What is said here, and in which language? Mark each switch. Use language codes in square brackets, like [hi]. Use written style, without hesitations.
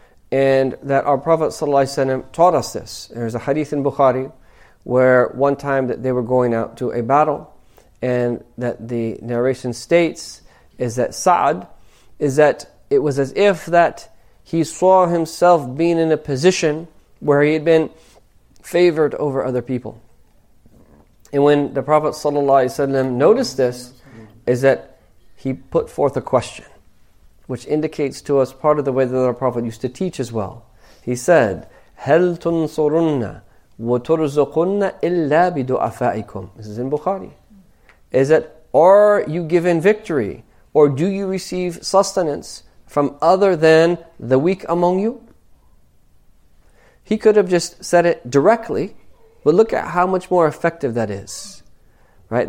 [en] And that our Prophet sallallahu alaihi wasallam taught us this. There's a hadith in Bukhari where one time that they were going out to a battle, and that the narration states is that Sa'd, is that it was as if that he saw himself being in a position where he had been favored over other people. And when the Prophet ﷺ noticed this, is that he put forth a question, which indicates to us part of the way that our Prophet used to teach as well. [ar] He said, "هَلْ تُنْصُرُنَّ وَتُرْزُقُنَّ إِلَّا بِدُعَفَائِكُمْ." [en] This is in Bukhari. Is that, are you given victory, or do you receive sustenance from other than the weak among you? He could have just said it directly, but look at how much more effective that is. Right?